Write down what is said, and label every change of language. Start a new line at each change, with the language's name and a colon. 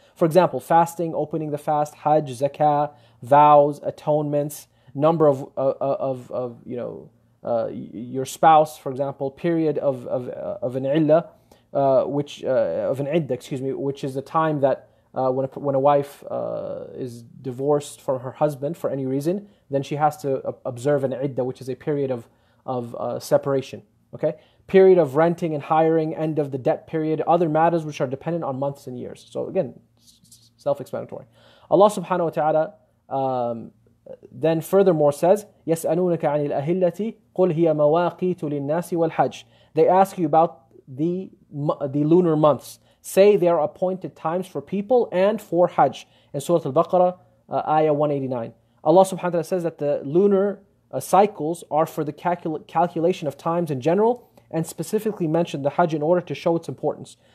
English: For example, fasting, opening the fast, hajj, zakah, vows, atonements, number of your spouse, for example, period of an illa, which is the time that when a wife is divorced from her husband for any reason, then she has to observe an idda, which is a period of separation. Okay, period of renting and hiring, end of the debt period, other matters which are dependent on months and years. So again, self-explanatory. Allah subhanahu wa ta'ala then furthermore says,
Arabic: يَسْأَلُونَكَ عَنِ الْأَهِلَّةِ قُلْ هِيَ مَوَاقِيتُ لِلنَّاسِ وَالْحَجِّ.
English: They ask you about the lunar months. Say they are appointed times for people and for Hajj. In Surah Al-Baqarah, Ayah 189. Allah subhanahu wa ta'ala says that the lunar cycles are for the calculation of times in general, and specifically mentioned the Hajj in order to show its importance.